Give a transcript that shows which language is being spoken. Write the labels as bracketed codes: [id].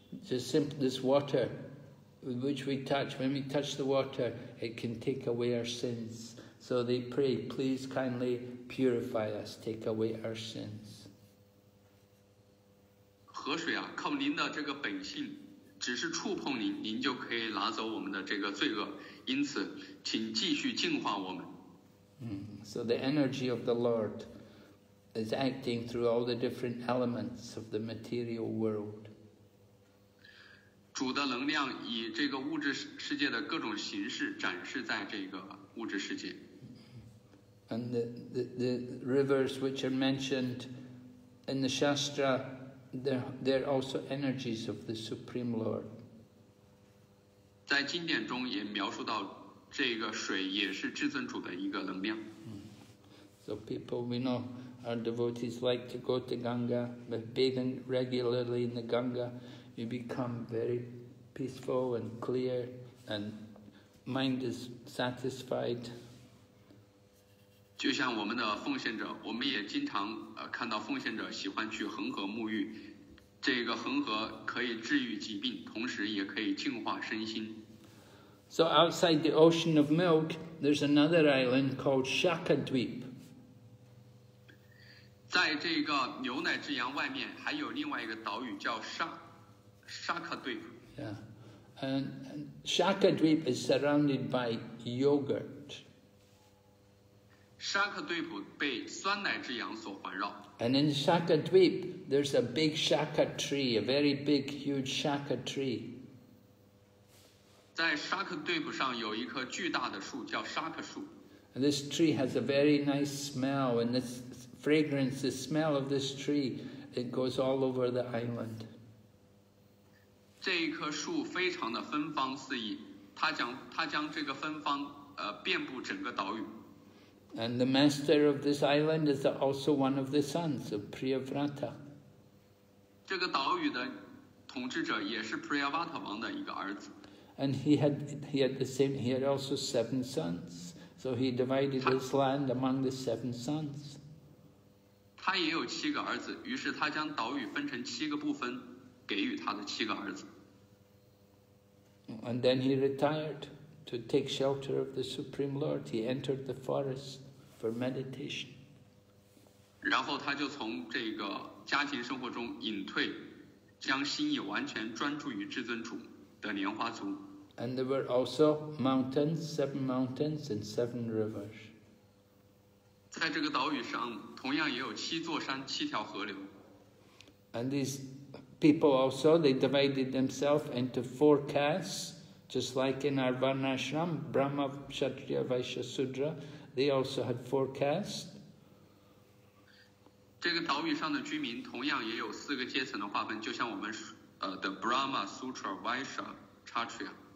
[en] This water, which we touch, when we touch the water, it can take away our sins. So they pray, please kindly purify us, take away our sins. [zh] 河水啊，靠您的这个本性，只是触碰您，您就可以拿走我们的这个罪恶。因此，请继续净化我们。 [en] So the energy of the Lord. Is acting through all the different elements of the material world. [zh] 主的能量以这个物质世界的各种形式展示在这个物质世界。 [en] And the rivers which are mentioned in the Shastra, they're also energies of the Supreme Lord. [zh] 在经典中也描述到这个水也是至尊主的一个能量。 [en] So people, we know. Our devotees like to go to Ganga, but bathing regularly in the Ganga, you become very peaceful and clear, and mind is satisfied. [zh] 就像我们的奉献者，我们也经常看到奉献者喜欢去恒河沐浴。这个恒河可以治愈疾病，同时也可以净化身心。 [en] So outside the ocean of milk, there's another island called Shakadweep. [zh] 在这个牛奶之洋外面还有另外一个岛屿叫沙克队。 [en] Yeah. And Shakadweep is surrounded by yogurt. [zh] Shakadweep 被酸奶之洋所环绕。 [en] And in Shakadweep, there's a big shaka tree, a very big, huge shaka tree. [zh] 在 Shakadweep 上有一棵巨大的树叫沙克树。 [en] And this tree has a very nice smell, and this fragrance, the smell of this tree, it goes all over the island. [zh] 这一棵树非常的芬芳四溢，它将这个芬芳遍布整个岛屿。 [en] And the master of this island is also one of the sons of Priyavrata. [zh] 这个岛屿的统治者也是 Priyavrata 王的一个儿子。 [en] And he had also seven sons. So he divided his land among the seven sons. [zh] 他也有七个儿子，于是他将岛屿分成七个部分，给予他的七个儿子。 [en] And then he retired to take shelter of the Supreme Lord. He entered the forest for meditation. [zh] 然后他就从这个家庭生活中隐退，将心意完全专注于至尊主的莲花族。 [en] And there were also mountains, seven mountains, and seven rivers. [zh] 在这个岛屿上，同样也有七座山、七条河流。 [en] And these people also, they divided themselves into four castes, just like in our Varnashram, Brahma, Kshatriya, Vaishya, Sudra. They also had four castes. [zh] 这个岛屿上的居民同样也有四个阶层的划分，就像我们的Brahma, Sudra, Vaishya, Kshatriya。